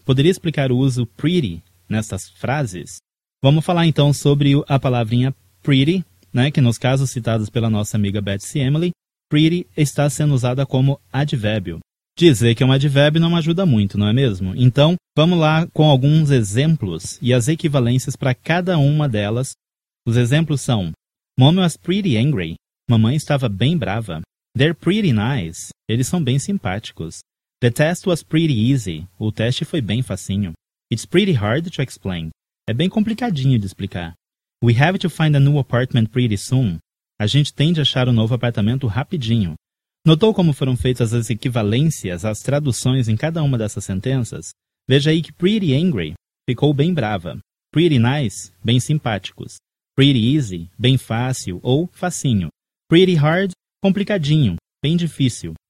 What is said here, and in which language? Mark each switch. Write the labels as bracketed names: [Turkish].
[Portuguese] Poderia explicar o uso pretty nessas frases? Vamos falar então sobre a palavrinha pretty, né, que nos casos citados pela nossa amiga Betsy Emily, pretty está sendo usada como advérbio. Dizer que é um advérbio não ajuda muito, não é mesmo? Então, vamos lá com alguns exemplos e as equivalências para cada uma delas. Os exemplos são: [English] Mom was pretty angry. [Portuguese] Mamãe estava bem brava. [English] They're pretty nice. [Portuguese] Eles são bem simpáticos. [English] The test was pretty easy. [Portuguese] O teste foi bem facinho. [English] It's pretty hard to explain. [Portuguese] É bem complicadinho de explicar. [English] We have to find a new apartment pretty soon. [Portuguese] A gente tem de achar um novo apartamento rapidinho. Notou como foram feitas as equivalências, as traduções em cada uma dessas sentenças? Veja aí que pretty angry ficou bem brava. Pretty nice, bem simpáticos. Pretty easy, bem fácil ou facinho. Pretty hard, complicadinho, bem difícil.